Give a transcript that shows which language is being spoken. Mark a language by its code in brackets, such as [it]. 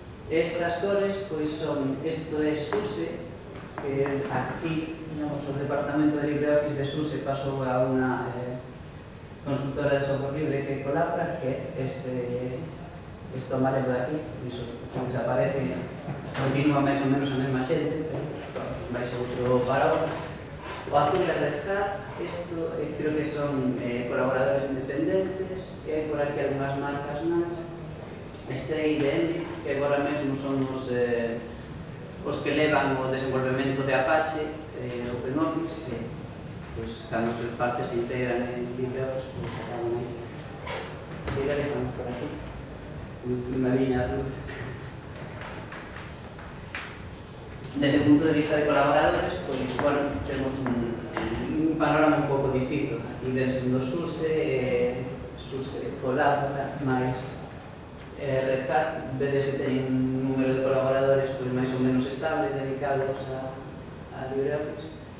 [es] Estas torres pues son, esto es SUSE, que aquí, digamos, el departamento de LibreOffice de SUSE pasó a una consultora de software libre que colabora, que este, esto amarelo de aquí, eso desaparece. [gl] Continúa máis ou menos a mesma xente, pero vai ser outro parágrafo. O azul de Red Hat, isto creo que son colaboradores independentes, e hai por aquí algunhas marcas máis. Este IBM, que agora mesmo son os que levan o desenvolvemento de Apache, OpenOffice, que pues, cando os seus parches se integran en LibreOffice, pues, se acaban aí. E aí estamos por aquí, unha liña azul. [es] Desde el punto de vista de colaboradores, pues bueno, tenemos un panorama un poco distinto. Aquí desde SUSE, SUSE colabora más Red Hat, veis que tiene un número de colaboradores pues, más o menos estable, dedicados a LibreOffice.